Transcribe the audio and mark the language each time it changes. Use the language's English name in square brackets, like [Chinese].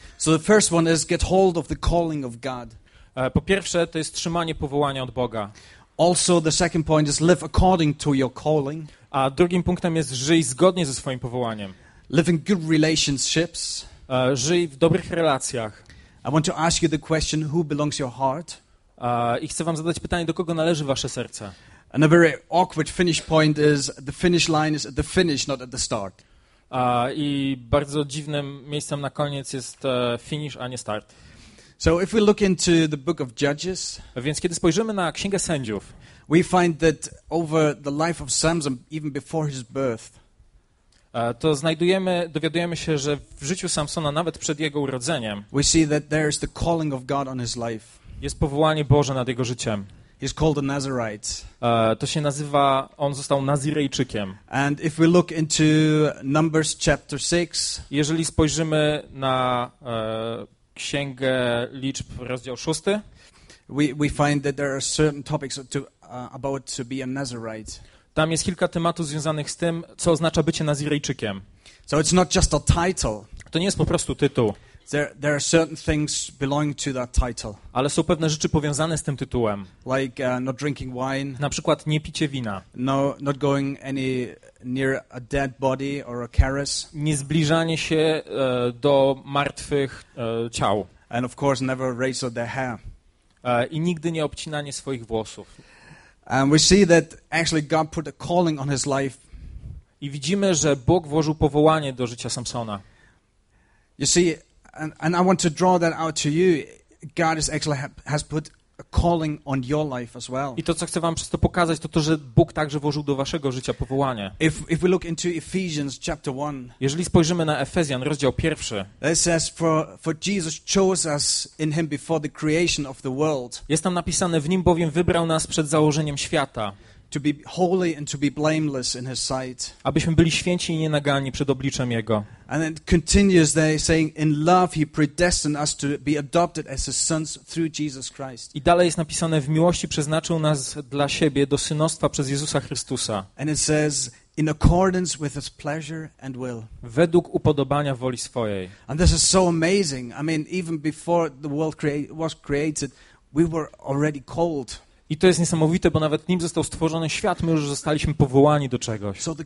[English] So the first one is get hold of the calling of God. [Polish] Po pierwsze, to jest trzymanie powołania od Boga. [English] Also the second point is live according to your calling. [Polish] A drugim punktem jest żyj zgodnie ze swoim powołaniem. [English] Live in good relationships. [Polish] Żyj w dobrych relacjach. [English] I want to ask you the question, who belongs your heart? [Polish] I chcę wam zadać pytanie, do kogo należy wasze serce? [English] And a very awkward finish point is the finish line is at the finish, not at the start. [Polish] I bardzo dziwnym miejscem na koniec jest finish, a nie start. [English] So if we look into the book of Judges, [Polish] więc kiedy spojrzymy na Księgę Sędziów, [English] we find that over the life of Samson, even before his birth, [Polish] to znajdujemy, dowiadujemy się, że w życiu Samsona, nawet przed jego urodzeniem, [English] we see that there is the calling of God on his life. [Polish] Jest powołanie Boże nad jego życiem. [English] He's called a Nazirite. [Polish] To się nazywa, on został Nazirejczykiem. [English] And if we look into Numbers chapter 6, [Polish] jeżeli spojrzymy na Księgę Liczb, rozdział 6, [English] we find that there are certain topics about to be a Nazirite. [Polish] Tam jest kilka tematów związanych z tym, co oznacza bycie Nazirejczykiem. [English] So it's not just a title. [Polish] To nie jest po prostu tytuł. [English] There are certain things belonging to that title. [Polish] Ale są pewne rzeczy powiązane z tym tytułem. [English] Like not drinking wine. [Polish] Na przykład nie picie wina. [English] No, not going any near a dead body or a carcass. [Polish] Nie zbliżanie się do martwych ciał. [English] And of course never razor their hair. [Polish] I nigdy nie obcinanie swoich włosów. [English] And we see that actually God put a calling on his life. [Polish] I widzimy, że Bóg włożył powołanie do życia Samsona. [English] You see, and I want to draw that out to you. God is actually has put a calling on your life as well. [Polish] I to, co chcę wam przez to pokazać, to to, że Bóg także włożył do waszego życia powołanie. [English] If we look into Ephesians chapter 1. [Polish] Jeżeli spojrzymy na Efezjan, rozdział pierwszy. [English] It says for Jesus chose us in him before the creation of the world. [Polish] Jest tam napisane, w nim bowiem wybrał nas przed założeniem świata. [English] To be holy and to be blameless in his sight. [Polish] Abyśmy byli święci i nienagani przed obliczem Jego. [English] And it continues there saying in love he predestined us to be adopted as his sons through Jesus Christ. [Polish] I dalej jest napisane, w miłości przeznaczył nas dla siebie do synostwa przez Jezusa Chrystusa. [English] And it says in accordance with his pleasure and will. [Polish] Według upodobania woli swojej. [English] And this is so amazing. I mean even before the world was created we were already called. [Polish] I to jest niesamowite, bo nawet nim został stworzony świat, my już zostaliśmy powołani do czegoś.